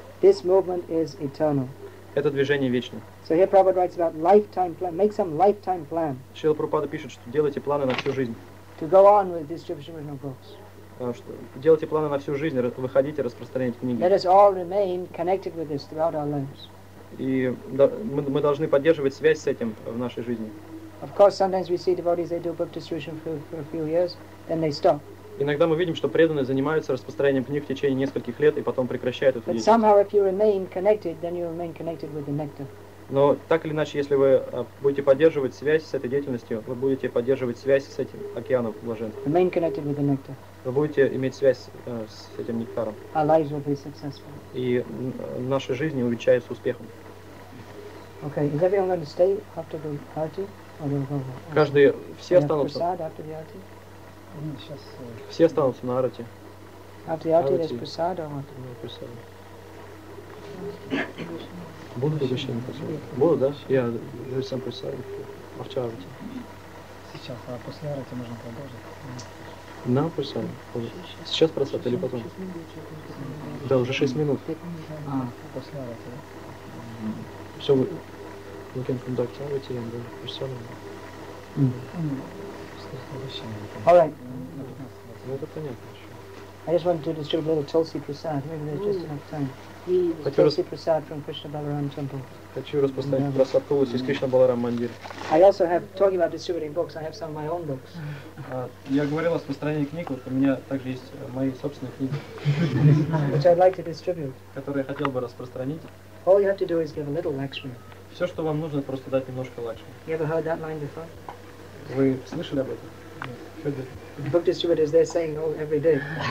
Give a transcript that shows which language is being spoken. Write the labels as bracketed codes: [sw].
[en] This movement is eternal. [ru] Это движение вечно. [en] So here Prabhupada writes about lifetime plan. Make some lifetime plan. [ru] Шрила Прабхупада пишет, что делайте планы на всю жизнь. [en] To go on with distribution of books. [ru] Делайте планы на всю жизнь, выходите, распространяйте книги. [en] Let us all remain connected with this throughout our lives. [ru] И мы должны поддерживать связь с этим в нашей жизни. [en] Of course, sometimes we see devotees they do book distribution for a few years, then they stop. [ru] Иногда мы видим, что преданные занимаются распространением книг в течение нескольких лет и потом прекращают эту деятельность. [en] Somehow, if you remain connected, then you remain connected with the nectar. [ru] Но так или иначе, если вы будете поддерживать связь с этой деятельностью, вы будете поддерживать связь с этим океаном блаженства. [en] Remain connected with the nectar. [ru] Вы будете иметь связь с этим нектаром. [en] Our lives will be successful. [ru] И наши жизни увенчаются успехом. [en] Okay, is everyone going to stay after the party, or they'll go? [ru] Каждый, все останутся. [en] Prasad after the arti? [ru] Все останутся на арати. [en] After the arti, there's prasad or what? No, prasad. [ru] Будут угощения после? Будут, да? Я же сам прасад. А в чарати? Сейчас, а после арати можно продолжить? На прасад. Сейчас прасад или потом? Да, уже 6 минут. После арати, да? [en] So we can conduct arati and then prasad. All right. I just wanted to distribute a little Tulsi Prasad. Maybe there's just enough time. Tulsi Prasad from Krishna Balaram Temple. [ru] Хочу распространить Prasad Tulsi из Krishna Balaram Mandir. [en] I also have, talking about distributing books, I have some of my own books. [ru] Я говорил о распространении книг, вот у меня также есть мои собственные книги. [en] Which I'd like to distribute. [ru] Которые я хотел бы распространить. [en] All you have to do is give a little lecture. [ru] Все, что вам нужно, просто дать немножко лекции. [en] You ever heard that line before? [ru] Вы слышали об этом? [en] Yes. Book distributors, they're saying, oh, every day.